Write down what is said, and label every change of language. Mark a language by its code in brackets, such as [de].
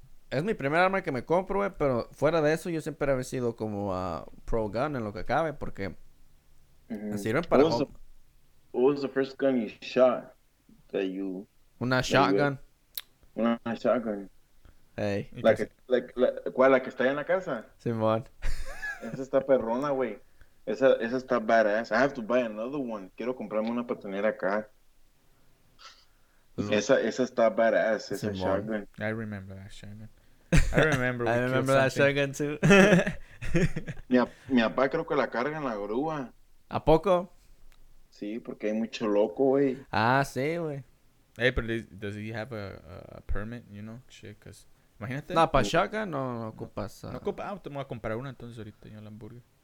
[es] Es mi primer arma que me compro, güey. Pero fuera de eso, yo siempre he sido como pro-gun en lo que cabe. Porque mm-hmm. sirven para... [en] What was the first gun you shot that you... [es] Una shotgun. Una shotgun. [en] Hey. [es] ¿La que está ahí en la casa? Simón. Esa está perrona, güey. Esa está badass. [en] I have to buy another one. [es] Quiero comprarme una para tener acá. Esa está badass. Esa shotgun. [en] I remember that shotgun. I remember that shotgun too. [es] Mi papá creo que la carga en la grúa. ¿A poco? Sí, porque hay mucho loco, güey. Ah, sí, güey. [en] Hey, but does he have a permit, you know, shit, because, [es] imagínate. No, para shotgun no ocupas. No ocupas, te voy a comprar una entonces ahorita en el hamburger.